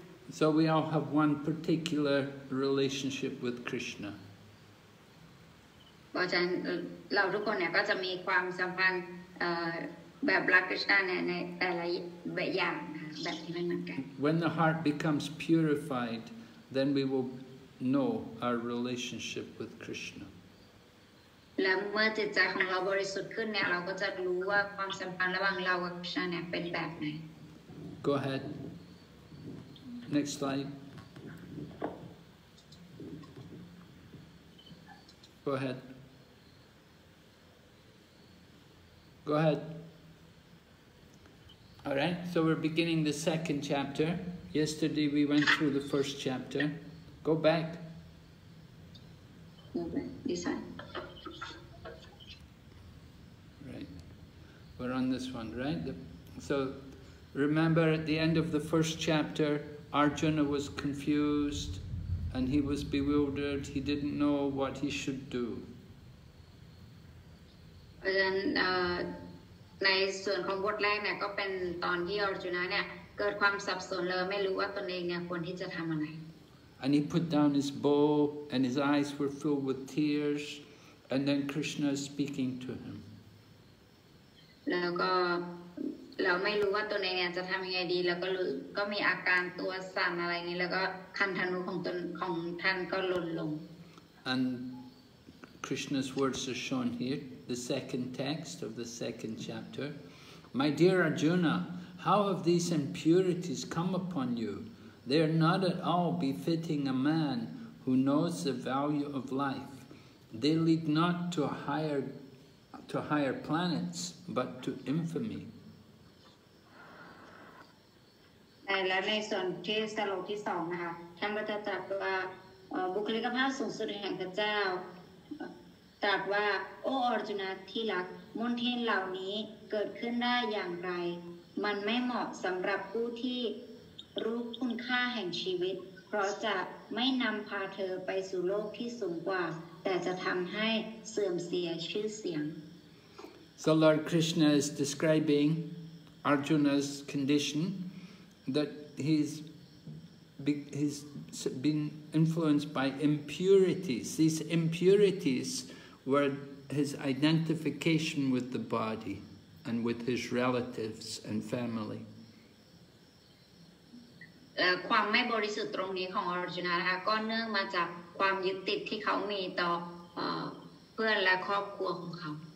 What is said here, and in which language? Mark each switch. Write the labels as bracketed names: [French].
[English] So we all have one particular relationship with Krishna. [Thai] เพราะฉะนั้นเราทุกคนเนี่ยก็จะมีความสัมพันธ์แบบรักกันในแต่ละแบบอย่างแบบที่มันเหมือนกัน [English] When the heart becomes purified then we will know our relationship with Krishna [Thai] และเมื่อจิตใจของเราบริสุทธิ์ขึ้นเนี่ยเราก็จะรู้ว่าความสัมพันธ์ระหว่างเรากับพระเจ้าเนี่ยเป็นแบบไหน [English] Go ahead next slide go aheadGo ahead. All right, so we're beginning the second chapter. Yesterday we went through the first chapter. Go back. Okay, this one. Right, we're on this one, right? So remember at the end of the first chapter, Arjuna was confused and he was bewildered. He didn't know what he should do. And then, [Thai] ในส่วนของบทแรกเนี่ยก็เป็นตอนที่อร์จุนะเนี่ยเกิดความสับสนเลยไม่รู้ว่าตนเองเนี่ยควรที่จะทำอะไร [English] And he put down his bow and his eyes were filled with tears and then Krishna is speaking to him [Thai] แล้วก็เราไม่รู้ว่าตนเองเนี่ยจะทำยังไงดีแล้วก็มีอาการตัวสั่นอะไรนี้แล้วก็คันธนูของตนของท่านก็หล่นลง [English] And Krishna's words are shown hereThe second text of the second chapter. My dear Arjuna, how have these impurities come upon you? They are not at all befitting a man who knows the value of life. They lead not to higher planets, but to infamy. And then in the second chapter, [Thai] ตรัสว่าโอ้อรจุนะที่รักมลทินเหล่านี้เกิดขึ้นได้อย่างไรมันไม่เหมาะสำหรับผู้ที่รู้คุณค่าแห่งชีวิตเพราะจะไม่นำพาเธอไปสู่โลกที่สูงกว่าแต่จะทำให้เสื่อมเสียชื่อเสียง [English] So Lord Krishna is describing Arjuna's condition that he's been influenced by impurities. These impuritiesWere his identification with the body and with his relatives and family. [Thai] ความไม่บริสุทธิ์ตรงนี้ของอรจุนะก็เนื่องมาจากความยึดติดที่เขามีต่อเพื่อนและครอบครัวของเขา